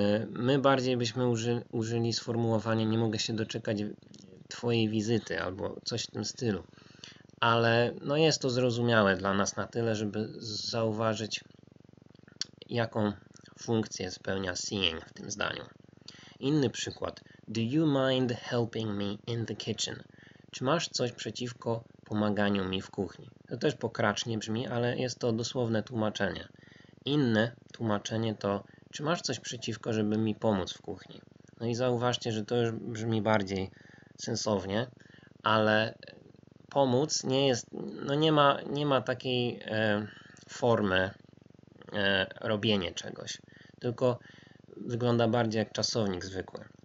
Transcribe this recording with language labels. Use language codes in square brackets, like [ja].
[pl] My bardziej byśmy użyli sformułowania nie mogę się doczekać twojej wizyty albo coś w tym stylu. Ale no jest to zrozumiałe dla nas na tyle, żeby zauważyć, jaką funkcję spełnia seeing w tym zdaniu. Inny przykład. [en] Do you mind helping me in the kitchen? [pl] Czy masz coś przeciwko pomaganiu mi w kuchni? To też pokracznie brzmi, ale jest to dosłowne tłumaczenie. Inne tłumaczenie to, czy masz coś przeciwko, żeby mi pomóc w kuchni? No i zauważcie, że to już brzmi bardziej sensownie, ale pomóc nie jest, no nie ma takiej formy robienie czegoś, tylko wygląda bardziej jak czasownik zwykły.